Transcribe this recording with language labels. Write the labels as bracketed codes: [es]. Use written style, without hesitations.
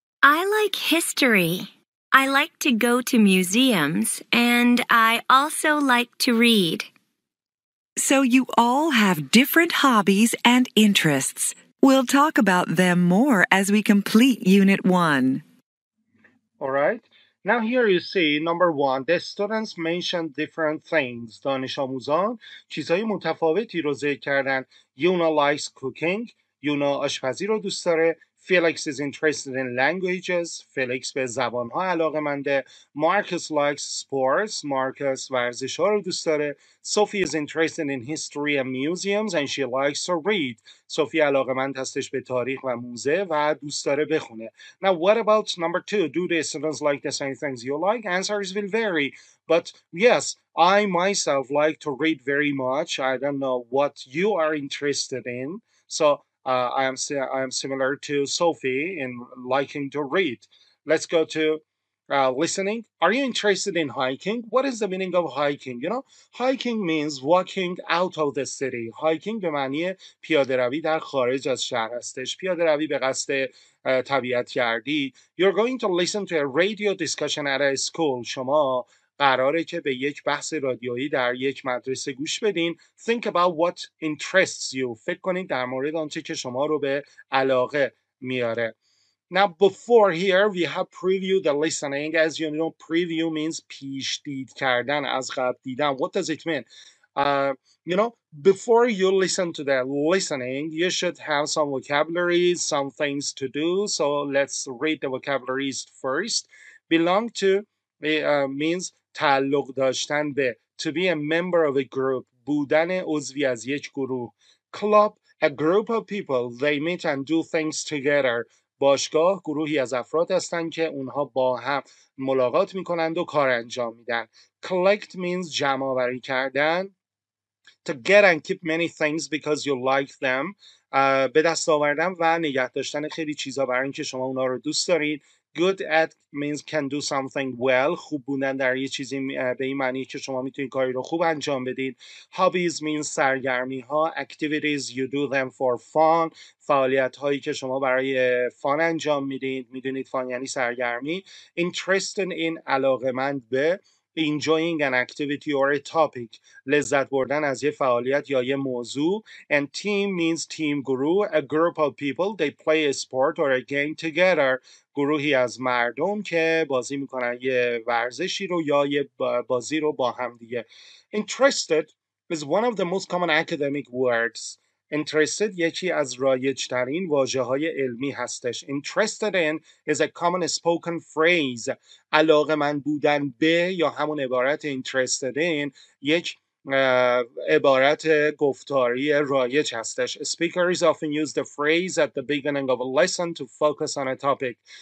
[en] I like history. I like to go to museums, and I also like to read. So you all have different hobbies and interests. We'll talk about them more as we complete Unit 1. All right. Now here you see, number one, the students mentioned different things. [fa] دانش آموزان چیزهای متفاوتی رو ذکر کردن. Yuna [en] likes cooking. [fa] Yuna آشپزی رو دوست داره. [en] Felix is interested in languages. [fa] Felix به زبانها علاقه منده. [en] Marcus likes sports. [fa] Marcus ورزش ها رو دوست داره. [en] Sophie is interested in history and museums and she likes to read. [fa] Sophie علاقه مند هستش به تاریخ و موزه و دوست داره بخونه. [en] Now what about number two? Do the students like the same things you like? Answers will vary. But yes, I myself like to read very much. I don't know what you are interested in. So I am similar to Sophie in liking to read. Let's go to listening. Are you interested in hiking? What is the meaning of hiking? You know, hiking means walking out of the city. [fa] Hiking به معنی پیاده روی در خارج از شهر هستش. پیاده روی به قصد طبیعت گردی. [en] You're going to listen to a radio discussion at a school. [fa] شما قراره که به یک بحث رادیویی در یک مدرسه گوش بدین. [en] Think about what interests you. [fa] فکر کنین در مورد آنچه که شما رو به علاقه میاره. [en] Now before here we have preview the listening. As you know, preview means [fa] پیش دید کردن, از قبل دیدن. [en] What does it mean? You know, before you listen to the listening, you should have some vocabularies, some things to do. So let's read the vocabularies first. Belong to means [fa] تعلق داشتن به, [en] to be a member of a group, [fa] بودن عضوی از یک گروه. [en] Club, a group of people, they meet and do things together. [fa] باشگاه, گروهی از افراد هستند که اونها با هم ملاقات میکنند و کار انجام میدن. [en] Collect means [fa] جمع آوری کردن. [en] To get and keep many things because you like them, [fa] به دست آوردن و نگه داشتن خیلی چیزا برای اینکه شما اونها رو دوست دارید. [en] Good at means can do something well. [fa] خوب بودن در یه چیزی به این معنی که شما میتونید کاری رو خوب انجام بدید. [en] Hobbies means [fa] سرگرمی ها. [en] Activities, you do them for fun. [fa] فعالیت هایی که شما برای فان انجام میدید. میدونید فان یعنی سرگرمی. [en] Interested in, [fa] علاقه مند به. [en] Enjoying an activity or a topic. [fa] لذت بردن از یه فعالیت یا یه موضوع. [en] And team means team, group. A group of people, they play a sport or a game together. [fa] گروهی از مردم که بازی میکنن یه ورزشی رو یا یه بازی رو با هم دیگه. [en] Interested is one of the most common academic words. [fa] Interested یکی از رایج‌ترین واژه‌های علمی هستش. [en] Interested in is a common spoken phrase. [fa] علاقه من بودن به یا همون عبارت interested in یک عبارت گفتاری رایج هستش. [en] Speakers often use the phrase at the beginning of a lesson to focus on a topic.